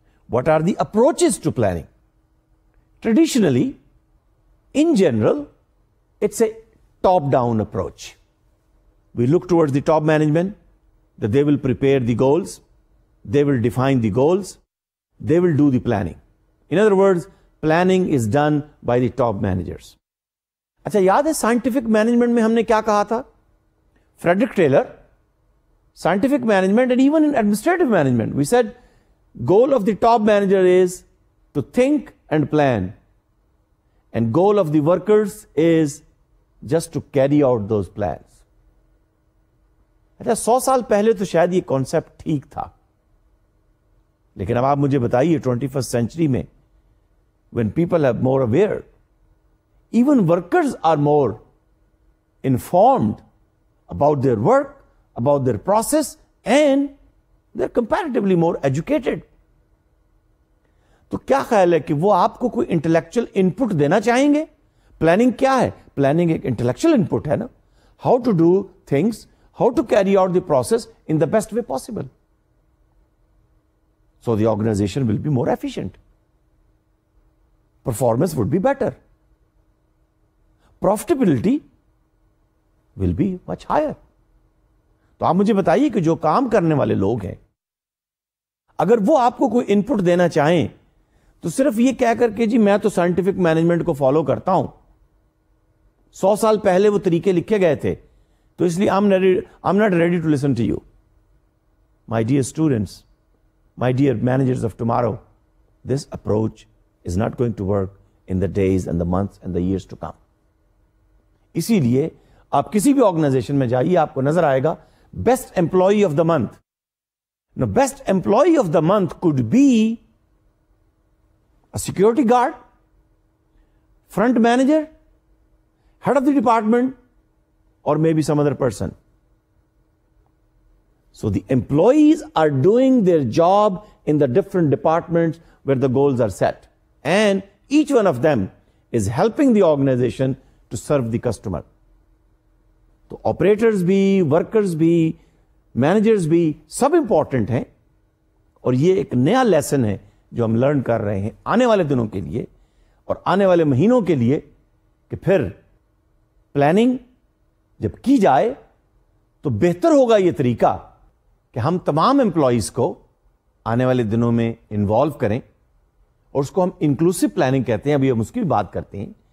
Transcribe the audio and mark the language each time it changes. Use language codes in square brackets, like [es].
[en] What are the approaches to planning? Traditionally, in general, it's a top-down approach. We look towards the top management, that they will prepare the goals, they will define the goals, they will do the planning. In other words, planning is done by the top managers. [ur] اچھا یاد ہے scientific management میں ہم نے کیا کہا تھا, [en] Frederick Taylor, scientific management and even in administrative management we said goal of the top manager is to think and plan and goal of the workers is just to carry out those plans. [ur] اچھا 100 سال پہلے تو شاید یہ concept ٹھیک تھا, لیکن اب آپ مجھے بتائیے [en] 21st century [ur] میں [en] when people have more aware, even workers are more informed about their work, about their process, and they're comparatively more educated. [ur] تو کیا خیال ہے کہ وہ آپ کو کوئی انٹلیکچوئل انپٹ دینا چاہیں گے؟ پلاننگ کیا ہے؟ پلاننگ ایک انٹلیکچوئل انپٹ ہے نا, [en] How to do things, how to carry out the process in the best way possible, so the organisation will be more efficient, performance would be better, profitability will be much higher. [ur] تو آپ مجھے بتائیے کہ جو کام کرنے والے لوگ ہیں اگر وہ آپ کو کوئی انپٹ دینا چاہیں تو صرف یہ کہہ کر کے جی میں تو سائنٹیفک مینجمنٹ کو فالو کرتا ہوں, 100 سال پہلے وہ طریقے لکھے گئے تھے تو اس لیے [en] I'm not ready to listen to you. My dear students, my dear managers of tomorrow, this approach is not going to work in the days and the months and the years to come. [ur] اسی لیے آپ کسی بھی organization میں جائیے آپ کو نظر آئے گا best [en] employee of the month. Now best employee of the month could be a security guard, front manager, head of the department, or maybe some other person. So the employees are doing their job in the different departments where the goals are set. And each one of them is helping the organization to serve the customer. [ur] So operators bhi, workers bhi, managers bhi, sab important hain. Aur ye ek naya lesson hai جو ہم learn کر رہے ہیں آنے والے دنوں کے لیے اور آنے والے مہینوں کے لیے, کہ پھر پلاننگ جب کی جائے تو بہتر ہوگا یہ طریقہ کہ ہم تمام امپلائیز کو آنے والے دنوں میں انوالو کریں, اور اس کو ہم انکلوسیو پلاننگ کہتے ہیں, ابھی ہم اس کی بھی بات کرتے ہیں.